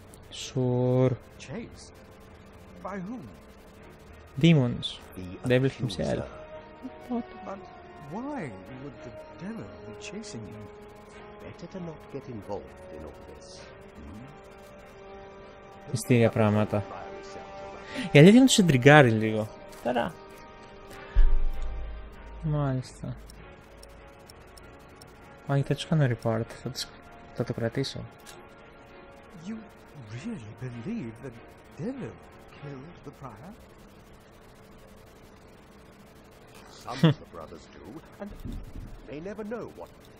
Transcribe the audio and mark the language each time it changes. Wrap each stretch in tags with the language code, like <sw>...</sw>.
<en>Sure. Chased? By whom? Demons. The devil himself. What? But why would the devil be chasing him? Better to not get involved in all this.</en> <el>Μυστήρια πράγματα. Η αλήθεια είναι ότι σε τριγκάρει λίγο. Τώρα. Μάλιστα. Όχι, θα τους κάνω report. Θα το κρατήσω.</el> <en>You really believe that devil killed the prior? Some of the brothers do, and they never know what.</en>